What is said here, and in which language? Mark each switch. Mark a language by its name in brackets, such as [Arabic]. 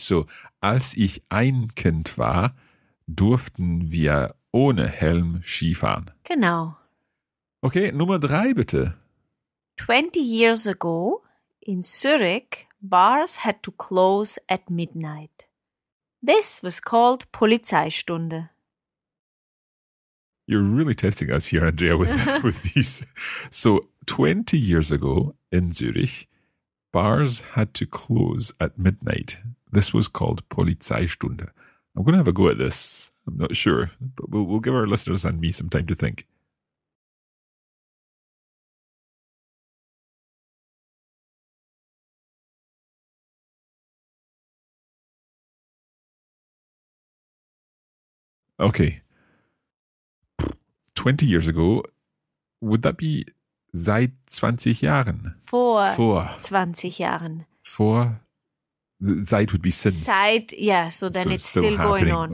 [German] So, als ich ein Kind war, durften wir ohne Helm Skifahren. Genau. Okay, Nummer drei, bitte. [English] 20 years ago, in Zurich, bars had to close at midnight. This was called Polizeistunde. You're really testing us here, Andrea, with these. So, 20 years ago, in Zurich, bars had to close at midnight. This was called Polizeistunde. I'm going to have a go at this. I'm not sure, but we'll give our listeners and me some time to think. Okay. 20 years ago, would that be [German] seit 20 Jahren? Vor 20 Jahren. [English] Vor. Seit would be since. Seit, yeah, so then so it's still going on.